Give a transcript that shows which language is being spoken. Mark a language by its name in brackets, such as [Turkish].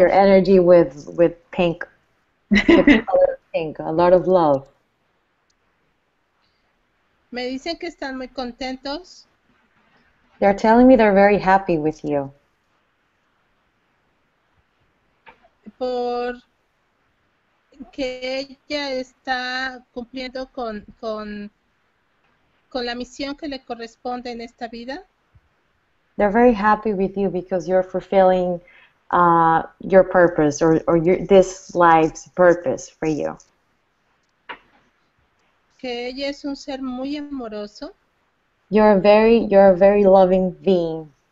[English] Your energy with pink, pink, a lot of love. [Spanish] Me dicen que están muy contentos. [English] They're telling me they're very happy with you. [Spanish] Por que ella está cumpliendo con la misión que le corresponde en esta vida. [English] They're very happy with you because you're fulfilling your purpose or your this life's purpose for you. [Spanish] Que ella es un ser muy amoroso. [English] You're a very loving being.